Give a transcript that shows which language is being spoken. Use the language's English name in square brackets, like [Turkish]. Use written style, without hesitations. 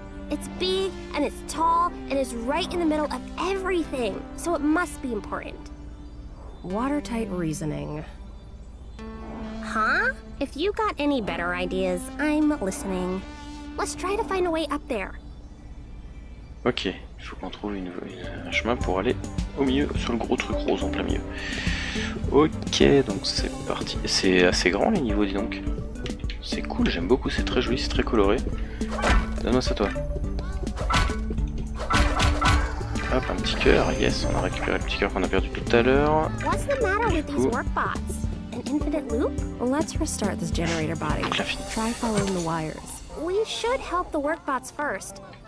[English] It's big and it's tall and it's right in the middle of everything. So it must be important. Watertight reasoning. Huh? If you got any better ideas, I'm listening. Let's try to find a way up there. [French] Ok, il faut qu'on trouve un chemin pour aller au milieu, sur le gros truc rose en plein milieu. Ok, donc c'est parti. C'est assez grand les niveaux, dis donc. C'est cool, j'aime beaucoup, c'est très joli, c'est très coloré. Donne-moi ça, toi. Hop, un petit cœur, yes, on a récupéré le petit cœur qu'on a perdu tout à l'heure. Qu'est-ce qui se passe avec ces workbots? [English] Un infinite loop? Let's restart this generator body. Try following the wires. We should help the workbots first.